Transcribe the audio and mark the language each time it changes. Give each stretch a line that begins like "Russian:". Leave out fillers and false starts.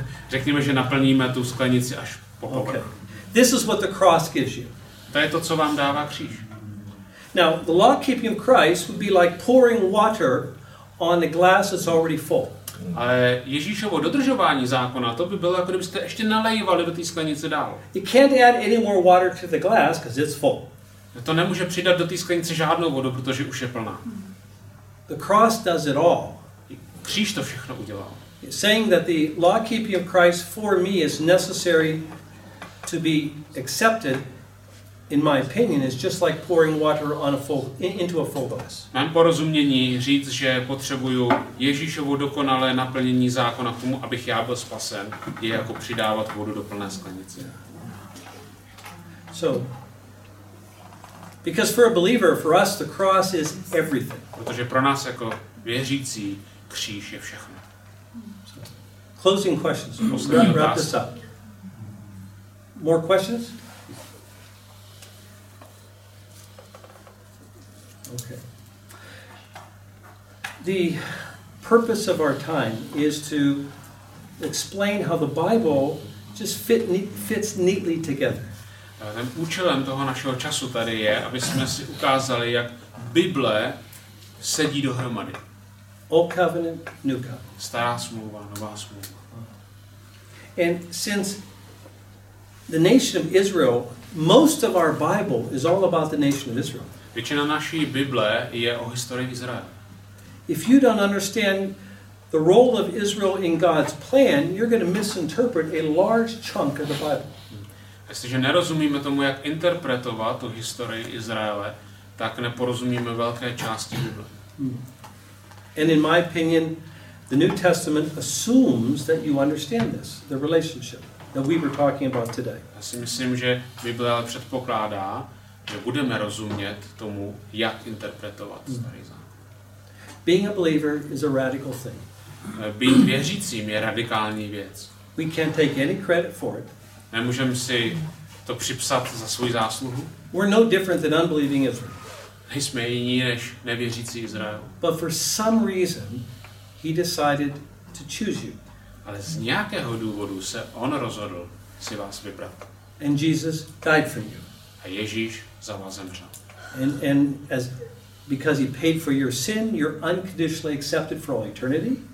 Czech: Řekněme, že naplníme tu sklenici až po povrch.
English: Okay. This is what the cross gives you.
Czech: To je to, co vám dává kříž.
English: Now, the law keeping of Christ would be like pouring water on the glass that's already full.
Czech: Ale Ježíšovo dodržování zákona, to by bylo, jako kdybyste ještě nalejvali do té sklenice dál.
English: You can't add any more water to the glass because it's full.
Czech: To nemůže přidat do té sklenice žádnou vodu, protože už je plná.
English: The cross does it all.
Czech: Kříž to všechno udělal.
English: Saying that the law keeping of Christ for me is necessary to be accepted, in my opinion, is just like pouring water on a full into a full glass.
Czech: Mám porozumění říct, že potřebuju Ježíšovo dokonalé naplnění zákona k tomu, abych já byl spasen, je jako přidávat vodu do plné sklenice.
English: So, because for a believer, for us, the cross is everything.
Czech: Protože pro nás jako věřící kříž je všechno.
English: Closing questions.
Czech: Poslední
English: wrap this up. More questions? Okay. The purpose of our time is to explain how the Bible just fits neatly together.
Czech: Ten účelem toho našeho času tady je, aby jsme si ukázali, jak Bible sedí dohromady.
English: Old covenant, new covenant.
Czech: Stará smlouva, nová smlouva.
English: And since the nation of Israel, most of our Bible is all about the nation of Israel.
Czech: Většina naší Bible je o historii Izraele.
English: If you don't understand the role of Israel in God's plan, you're going to misinterpret a large chunk of the Bible.
Czech: Jestliže nerozumíme tomu, jak interpretovat tu historii Izraele, tak neporozumíme velké části Bible.
English: And in my opinion, the New Testament assumes that you understand this, the relationship that we were talking about today.
Czech: Já si myslím, že Bible ale předpokládá, že budeme rozumět tomu, jak interpretovat starý zákon.
English: Being a believer is a radical thing.
Czech: Být věřícím je radikální věc.
English: We can't take any credit for it.
Czech: Nemůžeme si to připsat za svou zásluhu.
English: We're no different than unbelieving Israel.
Czech: Nejsme jiní než nevěřící Izrael.
English: But for some reason, he decided to choose you.
Czech: Ale z nějakého důvodu se on rozhodl si vás vybrat.
English: And Jesus died for you.
Czech: A Ježíš za vás zemřel.
English: And as because he paid for your sin, you're unconditionally accepted for all eternity.